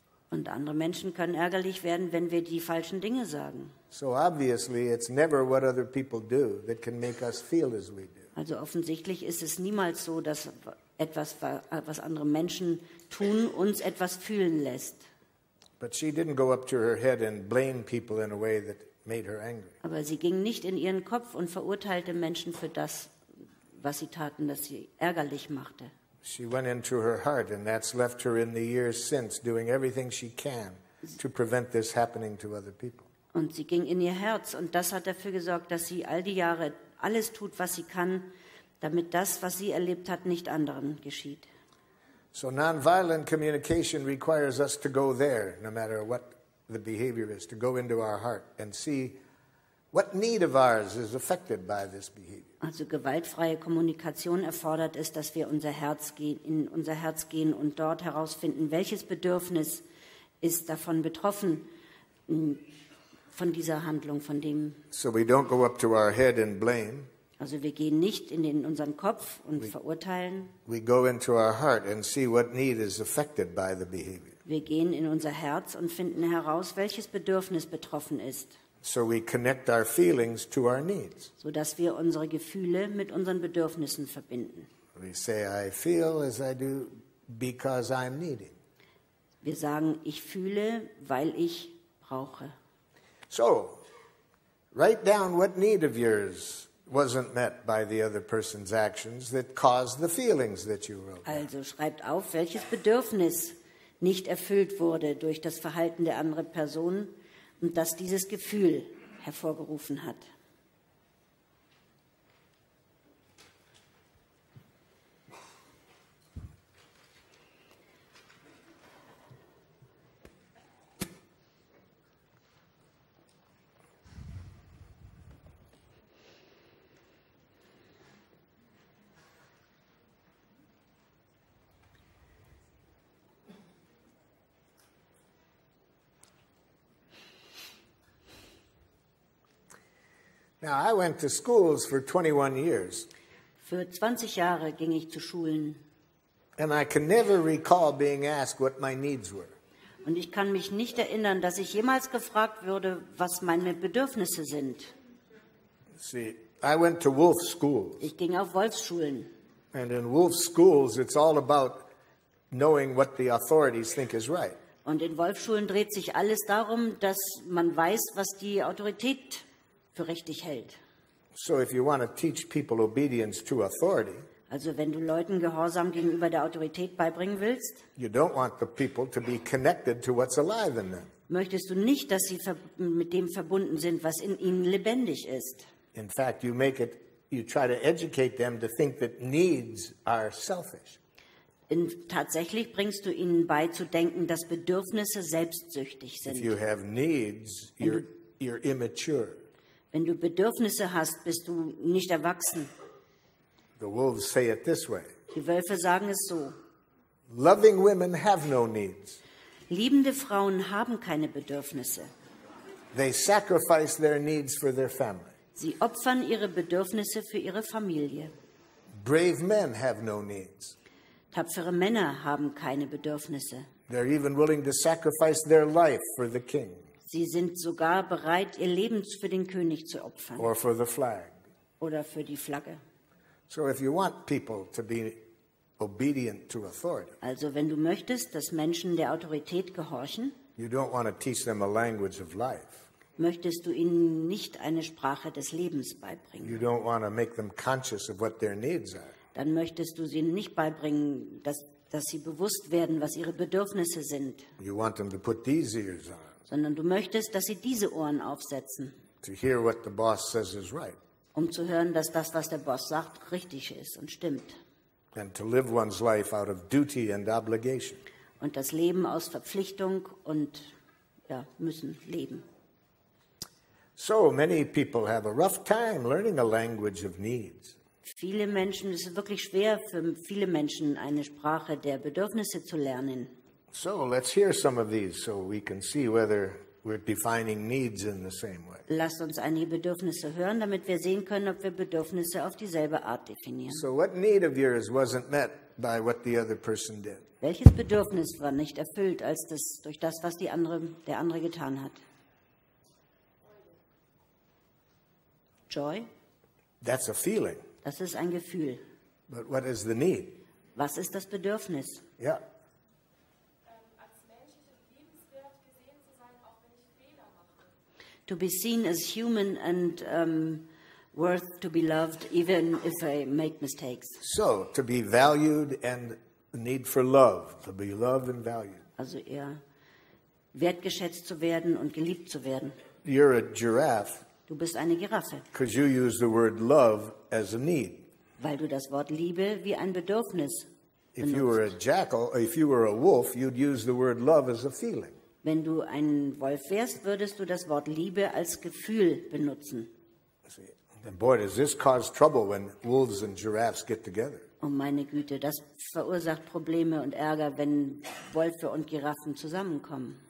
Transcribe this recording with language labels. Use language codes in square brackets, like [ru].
[de] Und andere Menschen können ärgerlich werden, wenn wir die falschen Dinge sagen. [en] So obviously it's never what other people do that can make us feel as we do. [de] Also offensichtlich ist es niemals so, dass etwas, was andere Menschen tun, uns etwas fühlen lässt. [en] But she didn't go up to her head and blame people in a way that made her angry. [de] Aber sie ging nicht in ihren Kopf und verurteilte Menschen für das, was sie taten, das sie ärgerlich machte. [en] She went into her heart, and that's left her in the years since doing everything she can to prevent this happening to other people. [de] Und sie ging in ihr Herz, und das hat dafür gesorgt, dass sie all die Jahre alles tut, was sie kann, damit das, was sie erlebt hat, nicht anderen geschieht. [en] So nonviolent communication requires us to go there, no matter what the behavior is, to go into our heart and see what need of ours is affected by this behavior. [de] Also gewaltfreie Kommunikation erfordert es, dass wir in unser Herz gehen und dort herausfinden, welches Bedürfnis ist davon betroffen, von dieser Handlung, von dem. [en] So we don't go up to our head and blame. [de] Also wir gehen nicht in unseren Kopf und verurteilen. [en] We go into our heart and see what need is affected by the behavior. [de] Wir gehen in unser Herz und finden heraus, welches Bedürfnis betroffen ist. [en] So we connect our feelings to our needs. [de] So dass wir unsere Gefühle mit unseren Bedürfnissen verbinden. [en] We say, I feel as I do because I'm needy. [de] Wir sagen, ich fühle, weil ich brauche. [en] So, Write down what need of yours wasn't met by the other person's actions that caused the feelings that you wrote. [de] Also schreibt auf, welches Bedürfnis nicht erfüllt wurde durch das Verhalten der anderen Person und das dieses Gefühl hervorgerufen hat. [en] Now, I went to schools for 21 years. [de] Für 20 Jahre ging ich zu Schulen. [en] And I can never recall being asked what my needs were. [de] Und ich kann mich nicht erinnern, dass ich jemals gefragt würde, was meine Bedürfnisse sind. [en] See, I went to wolf schools. [de] Ich ging auf Wolfsschulen. [en] And in wolf schools, it's all about knowing what the authorities think is right. [de] Und in Wolfsschulen dreht sich alles darum, dass man weiß, was die Autorität für richtig hält. [en] So if you want to teach people obedience to authority, [de] also wenn du Leuten Gehorsam gegenüber der Autorität beibringen willst, [en] you don't want the people to be connected to what's alive in them. [de] Möchtest du nicht, dass sie mit dem verbunden sind, was in ihnen lebendig ist. [en] In fact, you make it, you try to educate them to think that needs are selfish. [de] Und tatsächlich bringst du ihnen bei zu denken, dass Bedürfnisse selbstsüchtig sind. [en] If you have needs, you're immature. [de] Wenn du Bedürfnisse hast, bist du nicht erwachsen. [en] The wolves say it this way. [de] Die Wölfe sagen es so. [en] Loving women have no needs. [de] Liebende Frauen haben keine Bedürfnisse. [en] They sacrifice their needs for their family. [de] Sie opfern ihre Bedürfnisse für ihre Familie. [en] Brave men have no needs. [de] Tapfere Männer haben keine Bedürfnisse. [en] They're even willing to sacrifice their life for the king. [de] Sie sind sogar bereit, ihr Leben für den König zu opfern. [en] Or for the flag. [de] Oder für die Flagge. [en] So if you want people to be obedient to authority, [de] also wenn du möchtest, dass Menschen der Autorität gehorchen, [en] you don't want to teach them a language of life. [de] Möchtest du ihnen nicht eine Sprache des Lebens beibringen. [en] You don't want to make them conscious of what their needs are. [de] Dann möchtest du sie nicht beibringen, dass sie bewusst werden, was ihre Bedürfnisse sind. [en] You want them to put these ears on. [de] Sondern du möchtest, dass sie diese Ohren aufsetzen, [en] to hear what the boss says is right. [de] Um zu hören, dass das, was der Boss sagt, richtig ist und stimmt. [en] And to live one's life out of duty and obligation. [de] Und das Leben aus Verpflichtung und ja, müssen leben. [en] So many people have a rough time learning a language of needs. [de] Viele Menschen, es ist wirklich schwer für viele Menschen, eine Sprache der Bedürfnisse zu lernen. [en] So let's hear some of these so we can see whether we're defining needs in the same way. [de] Lasst uns einige Bedürfnisse hören, damit wir sehen können, ob wir Bedürfnisse auf dieselbe Art definieren. [en] So what need of yours wasn't met by what the other person did? [de] Welches Bedürfnis war nicht erfüllt als das durch das, was der andere getan hat? [en] Joy? That's a feeling. [de] Das ist ein Gefühl. [en] But what is the need? [de] Was ist das Bedürfnis? [en] Yeah. To be seen as human and worth to be loved, even if I make mistakes. So, to be valued and need for love, to be loved and valued. [de] Also eher wertgeschätzt zu werden und geliebt zu werden. [en] You're a giraffe. [de] Du bist eine Giraffe. [en] Because you use the word love as a need. [de] Weil du das Wort Liebe wie ein Bedürfnis benutzt. [en] If you were a jackal, if you were a wolf, you'd use the word love as a feeling. [de] Wenn du ein Wolf wärst, würdest du das Wort Liebe als Gefühl benutzen. [en] Boy, does this cause trouble when wolves and giraffes get together. [de] Oh meine Güte, das verursacht Probleme und Ärger, wenn Wölfe und Giraffen zusammenkommen.